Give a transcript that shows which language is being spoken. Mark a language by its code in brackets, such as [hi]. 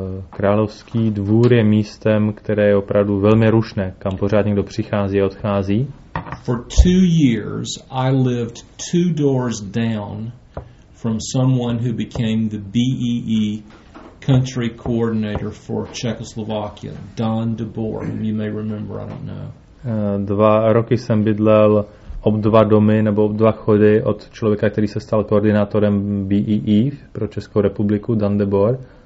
[cs] Královský dvůr je místem, které je opravdu velmi rušné, kam pořád někdo přichází a odchází. [en] For 2 years I lived 2 doors down from someone who became the BEE country coordinator for Czechoslovakia, Don DeBoer, whom you may remember, I don't know. [cs] 2 roky jsem bydlel ob 2 domy nebo ob 2 chody od člověka, který se stal koordinátorem BEE pro Českou republiku, Dan DeBoer.